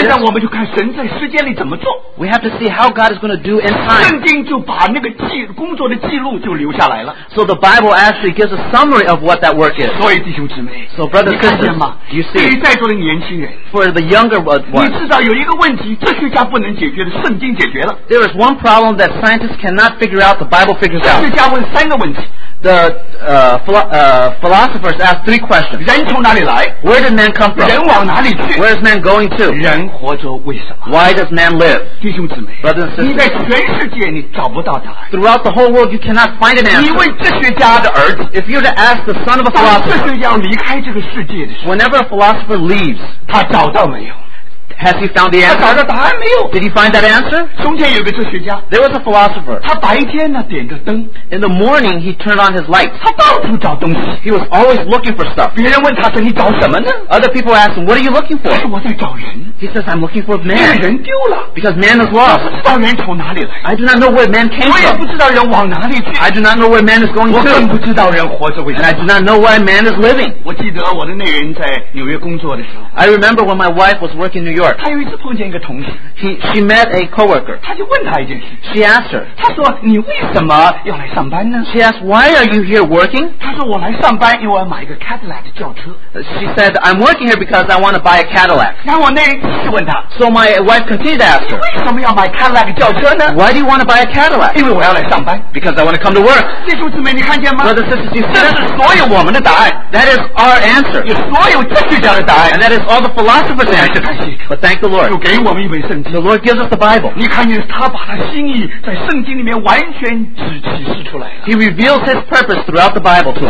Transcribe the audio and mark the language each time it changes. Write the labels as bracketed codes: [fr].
[zh] 现在我们就看神在时间里怎么做。 [en] We have to see how God is going to do in time. [zh] 圣经就把那个工作的记录就留下来了。 [en] So the Bible actually gives a summary of what that work is. [zh] 所以弟兄姊妹。 [en] So brothers and sisters, [zh] 你看见吗? [en] Do you see? [zh] 对于在座的年轻人。 [en] For the younger ones. [zh] 你至少有一个问题,哲学家不能解决的,圣经解决了。 [en] There is one problem that scientists cannot figure out, the Bible figures out. [zh] 哲学家问三个问题。 [en] The philosophers ask three questions. [zh] 人从哪里来? [en] Where did man come from? [zh] 人往哪里去? [en] Where is man going to? [zh] 人活着为什么? [en] Why does man live? [zh] 弟兄姊妹, [en] brothers and sisters, [zh] 你在全世界你找不到答案。 [en] Throughout the whole world, you cannot find an answer. [zh] 你问哲学家的儿子, [en] if you were to ask the son of a philosopher, [zh] 当哲学家离开这个世界的时候, [en] whenever a philosopher leaves, [zh] 他找到没有? [en] Has he found the answer? [zh] 他找到答案没有? [en] Did he find that answer? [zh] 从前有个哲学家, [en] there was a philosopher. [zh] 他白天呢点着灯, [en] in the morning he turned on his light. [zh] 他到处找东西, [en] he was always looking for stuff. [zh] 别人问他说你找什么呢? [en] Other people asked him, what are you looking for? [zh] 他说我在找人。 [en] He says, I'm looking for man. [zh] 人丢了。 [en] Because man is lost. [zh] 不知道人从哪里来。 [en] I do not know where man came from. [zh] 我也不知道人往哪里去。 [en] I do not know where man is going to. [zh] 我更不知道人活着为什么。 [en] And I do not know why man is living. [zh] 我记得我的那人在纽约工作的时候。 [en] I remember when my wife was working in New York. [zh] 他有一次碰见一个同事。 [en] She met a co-worker. [zh] 他就问他一件事。 [en] She asked her. [zh] 他说你为什么要来上班呢？ [en] She asked, why are you here working? [zh] 他说我来上班因为我要买一个 Cadillac 的轿车。 [en] She said, I'm working here because I want to buy a Cadillac. [zh] 然后我那人就问他。 [en] So my wife continued to ask her, [zh] 为什么要买 Cadillac 的轿车呢？ [en] Why do you want to buy a Cadillac? [zh] 因为我要来上班。 [en] Because I want to come to work. [zh] 弟兄姊妹你看见吗？ [en] Brothers and sisters, [zh] 这是所有我们的答案。 [en] That is our answer. [zh] 有所有哲学家的答案。 [en] And that is all the philosophers' answer. Thank the Lord. [zh] 又给我们一本圣经。 [en] The Lord gives us the Bible. [zh] 你看见他把他心意在圣经里面完全启示出来了。 [en] He reveals his purpose throughout the Bible to us.